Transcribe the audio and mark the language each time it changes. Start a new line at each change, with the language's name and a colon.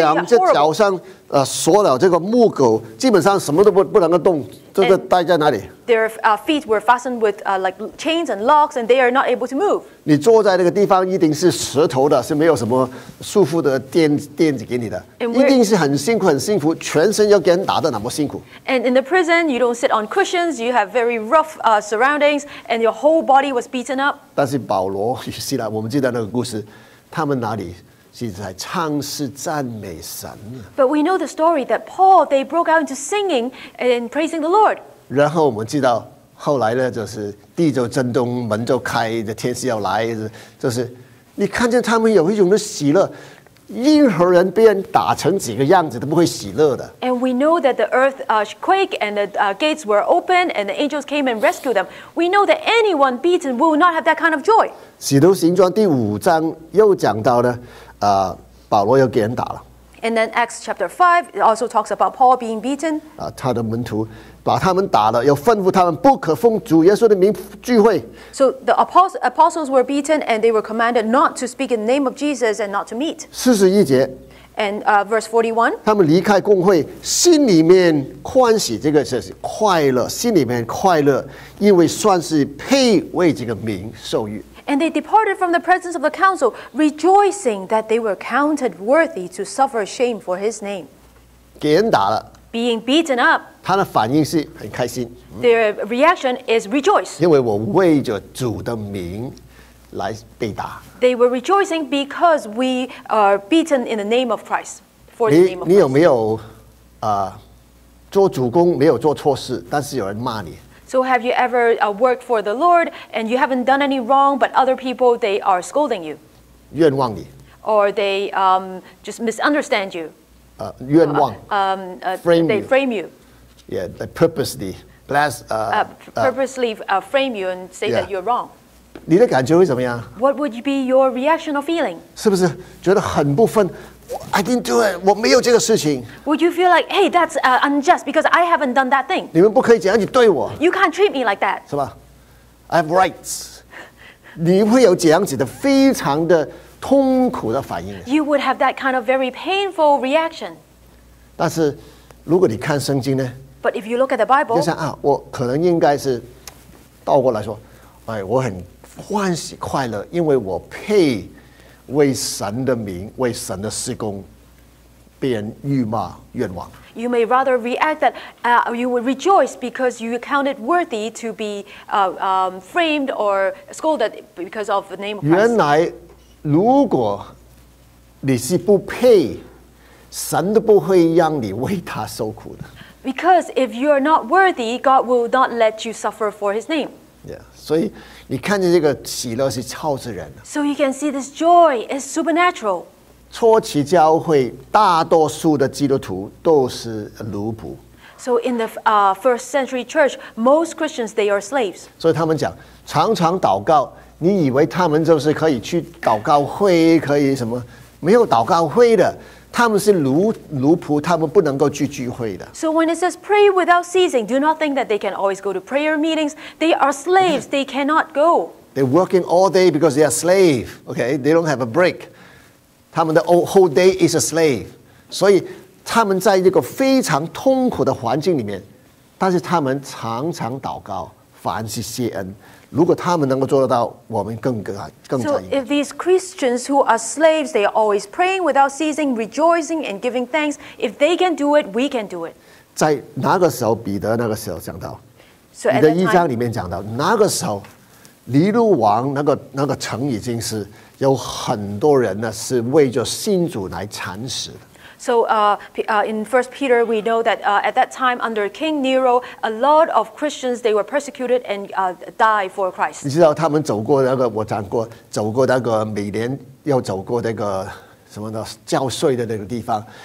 Chinese: 然后两只脚上锁了这个木狗，基本上什么都不能够动，这个待在那里。
English: Their feet were fastened with like chains and locks, and they are not able to move.
Chinese: 你坐在那个地方一定是石头的，是没有什么束缚的垫子给你的，一定是很辛苦很辛苦，全身要给人打得那么辛苦。
English: And in the prison, you don't sit on cushions. You have very rough surroundings, and your whole body was beaten up.
Chinese: 但是保罗与希拉，我们记得那个故事，他们哪里？是在唱诗赞美神。
English: But we know the story that Paul, they broke out into singing and praising the Lord.
Chinese: 然后我们知道后来呢，就是地就震动，门就开，天使要来，就是你看见他们有一种的喜乐。任何人被人打成几个样子都不会喜乐的。
English: And we know that the earth quake and the gates were open and the angels came and rescued them. We know that anyone beaten will not have that kind of joy.
Chinese: 使徒行传第五章又讲到呢。保罗又给人打了。
English: And then Acts chapter 5 it also talks about Paul being beaten.
Chinese: 他的门徒把他们打了，又吩咐他们不可奉主耶稣的名聚会。
English: So the apostles were beaten and they were commanded not to speak in the name of Jesus and not to meet.
Chinese: 41节。
English: And verse 41.
Chinese: 他们离开公会，心里面欢喜，这个就是快乐，心里面快乐，因为算是配为这个名受遇。
English: And they departed from the presence of the council, rejoicing that they were counted worthy to suffer shame for his name.
Chinese: 给人打了。
English: Being beaten up.
Chinese: 他的反应是很开心。
English: Their reaction is rejoice.
Chinese: 因为我为着主的名来被打。
English: They were rejoicing because we are beaten in the name of Christ. For the name of Christ.
Chinese: 你有没有做主公没有做错事，但是有人骂你。
English: So have you ever worked for the Lord and you haven't done any wrong, but other people, they are scolding you?
Chinese: 冤枉你。
English: Or they just misunderstand you.
Chinese: 冤枉。
English: Frame they frame you. Yeah, they purposely. Purposely frame you and say that you're wrong.
Chinese: 你的感觉会怎么样?
English: What would be your reaction or feeling?
Chinese: 是不是觉得很不分,
English: I didn't do it.
Chinese: 我没有这个事情。
English: Would you feel like, hey, that's unjust because I haven't done that thing?
Chinese: 你们不可以这样去对我。
English: You can't treat me like that.
Chinese: 是吧
English: ？I have rights.
Chinese: 你会有这样子的非常的痛苦的反应。
English: You would have that kind of very painful reaction.
Chinese: 但是如果你看圣经呢
English: ？But if you look at the Bible,
Chinese: 就像啊，我可能应该是倒过来说，哎，我很欢喜快乐，因为我配。为神的名，为神的事工，被人辱骂冤枉。
English: You may rather react that you would rejoice because you count it worthy to be framed or scolded because of the name of Christ.
Chinese: 原来，如果你是不配，神都不会让你为他受苦的。
English: Because if you are not worthy, God will not let you suffer for His name. Yeah,
Chinese: 所以。你看见这个喜乐是超自然的。
English: So you can see this joy is supernatural.
Chinese: 初期教会大多数的基督徒都是奴仆。
English: So in the first century church, most Christians they are slaves.
Chinese: 所以他们讲常常祷告，你以为他们就是可以去祷告会，可以什么？没有祷告会的。他们是奴仆，他们不能够去聚会的。
English: So when it says pray without ceasing, do not think that they can always go to prayer meetings. They are slaves. They cannot go. They're working all day because they are slave. Okay, they don't have a break.
Chinese: 他们的
English: whole day is a slave.
Chinese: 所以他们在一个非常痛苦的环境里面，但是他们常常祷告，凡事谢恩。如果他们能够做得到，我们更加。
English: So if these Christians who are slaves, they are always praying without ceasing, rejoicing and giving thanks. If they can do it, we can do it.
Chinese: 在那个时候，彼得那个时候讲到， so、彼得一章里面讲到，那个时候，尼禄王那个城已经是有很多人呢，是为着信主来惨死的。
English: So in 1 Peter, we know that at that time under King Nero, a lot of Christians, they were persecuted and died for Christ.
Chinese: 你知道他们走过那个，我讲过，走过那个每年要走过那个什么的教税的那个地方。